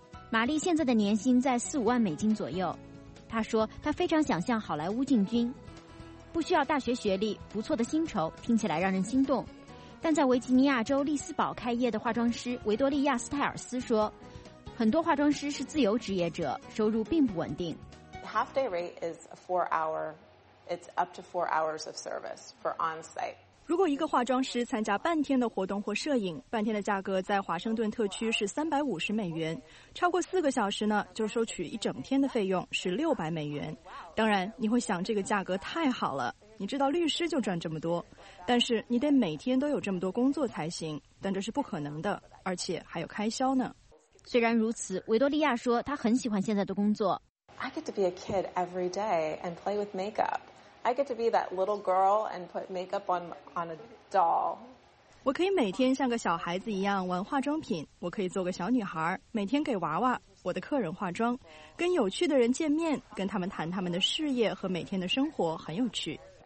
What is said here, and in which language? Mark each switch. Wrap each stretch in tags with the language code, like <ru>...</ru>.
<zh>玛丽现在的年薪在4-5万美金左右，她说她非常想向好莱坞进军。不需要大学学历，不错的薪酬，听起来让人心动。但在维吉尼亚州利斯堡开业的化妆师维多利亚·斯泰尔斯说，很多化妆师是自由职业者，收入并不稳定。</zh> <en>Half-day rate is four-hour. It's up to 4 hours of service for on-site.</en> <zh>如果一个化妆师参加半天的活动或摄影，半天的价格在华盛顿特区是350美元，超过4个小时呢，就收取一整天的费用是600美元。当然你会想这个价格太好了，你知道律师就赚这么多，但是你得每天都有这么多工作才行，但这是不可能的，而且还有开销呢。虽然如此，维多利亚说她很喜欢现在的工作。</zh> <en>I get to be a kid every day and play with makeup. I get to be that little girl and put makeup on a doll.</en> <zh>我可以每天像个小孩子一样玩化妆品，我可以做个小女孩，每天给娃娃我的客人化妆，跟有趣的人见面，跟他们谈他们的事业和每天的生活，很有趣。</zh>